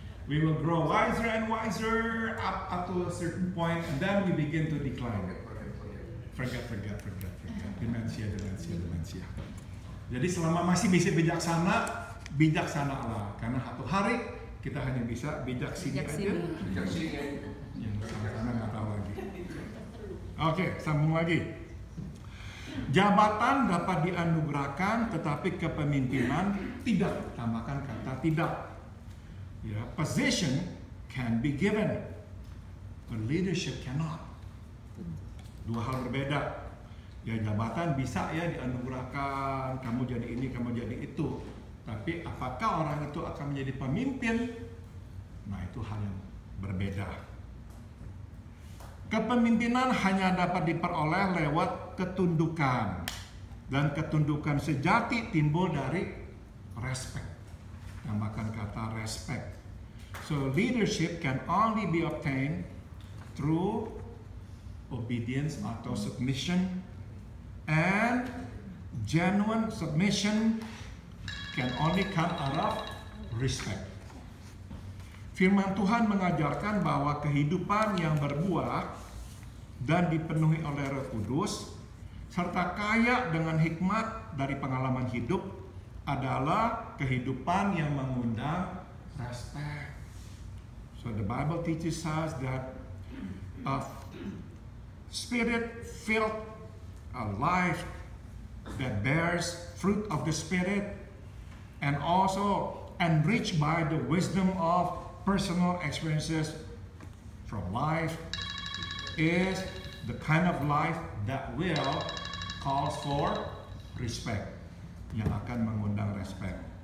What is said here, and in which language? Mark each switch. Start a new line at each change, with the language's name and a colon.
English: We will grow wiser and wiser up to a certain point, and then we begin to decline. Forget. Dementia.
Indonesian: Jadi selama masih bisa bijaksana lah. Karena satu hari kita hanya bisa bijak sini aja. Bijak sini. Yang sana nggak tahu lagi. Oke, sambung lagi. Jabatan dapat dianugerahkan, tetapi kepemimpinan tidak. Tambahkan kata tidak.
English: Ya, position can be given, but leadership cannot.
Indonesian: Dua hal berbeda. Ya, jabatan bisa ya dianugerahkan, kamu jadi ini, kamu jadi itu. Tapi apakah orang itu akan menjadi pemimpin? Nah, itu hal yang berbeda. Kepemimpinan hanya dapat diperoleh lewat ketundukan. Dan ketundukan sejati timbul dari respect. Tambahkan kata respect.
English: So, leadership can only be obtained through obedience atau submission. And genuine submission can only come out of respect.
Indonesian: Firman Tuhan mengajarkan bahwa kehidupan yang berbuah dan dipenuhi oleh Roh Kudus serta kaya dengan hikmat dari pengalaman hidup adalah kehidupan yang mengundang respect.
English: So the Bible teaches us that a spirit-filled a life that bears fruit of the Spirit and also enriched by the wisdom of personal experiences from life is the kind of life that will calls for respect,
Indonesian: yang akan mengundang respect.